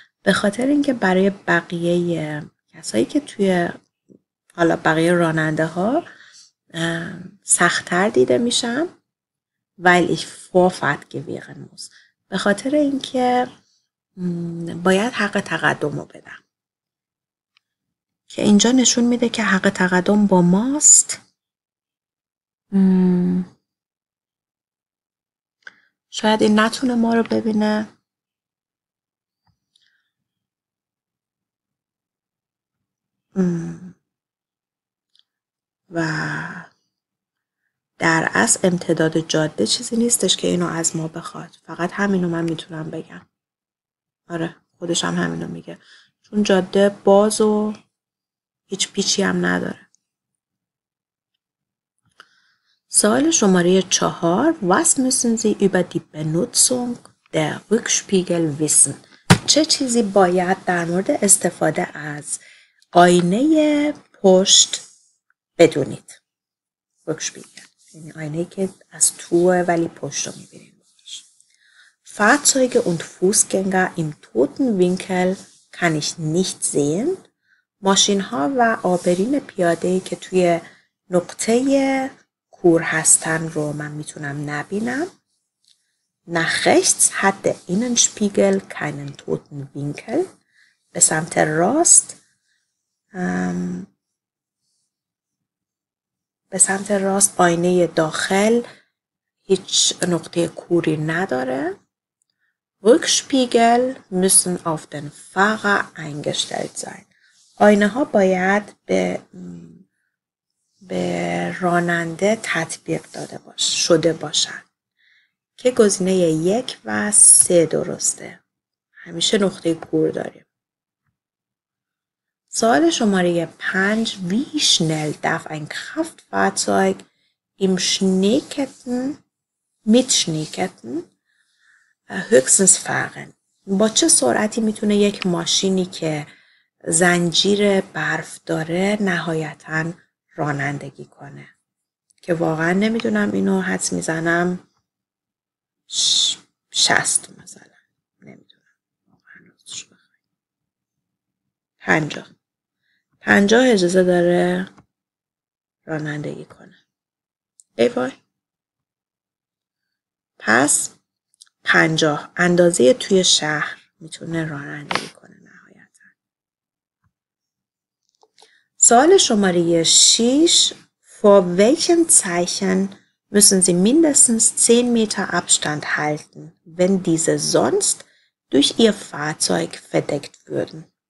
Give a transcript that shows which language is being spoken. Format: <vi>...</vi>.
<fa>به خاطر اینکه برای بقیه کسایی که توی حالا بقیه راننده ها سخت‌تر دیده میشم.</fa> <de>weil ich Vorfahrt gewähren muss.</de> <fa>به خاطر اینکه باید حق تقدم رو بدم. که اینجا نشون میده که حق تقدم با ماست. شاید این نتونه ما رو ببینه. و در اصل امتداد جاده چیزی نیستش که اینو از ما بخواد. فقط همینو من میتونم بگم. آره خودش هم همینو میگه. چون جاده باز و هیچ پیچی هم نداره. سوال شماره 4</fa> <de>Was müssen Sie über die Benutzung der Rückspiegel wissen?</de> <fa>چه چیزی باید در مورد استفاده از آینه پشت بدونید. رکشپیگل. یعنی آینه که از توه ولی پشت رو میبینید.</fa> <de>Fahrzeuge und Fußgänger im toten Winkel kann ich nicht sehen.</de> <fa>ماشین ها و آبرین پیاده که توی نقطه کور هستن رو من میتونم نبینم.</fa> <de>Nach rechts hat der Innenspiegel keinen toten Winkel.</de> <fa>به سمت راست به سمت راست آینه داخل هیچ نقطه کوری نداره.</fa> <de>Rückspiegel müssen auf den Fahrer eingestellt sein.</de> <fa>آینه ها باید به به راننده تطبیق داده باش شده باشن که گزینه یک و سه درسته. همیشه نقطه کور داریم. سوال شماره پنج:</fa> <de>وی شنل دف این کرافتفاتزایگ ایم شنیکتن میت شنیکتن هکسنس فرن؟</de> <fa>با چه سرعتی میتونه یک ماشینی که زنجیر برف داره نهایتاً رانندگی کنه؟ که واقعا نمیدونم، اینو حدس میزنم 60 مثلا، نمیدونم، 50 اجازه داره رانندگی کنه. ای وای، پس 50 اندازه توی شهر میتونه رانندگی کنه. سوال شماره 6:</fa> <de>Vor welchen Zeichen müssen Sie mindestens 10 Meter Abstand halten, wenn diese sonst durch Ihr Fahrzeug verdeckt würden?</de>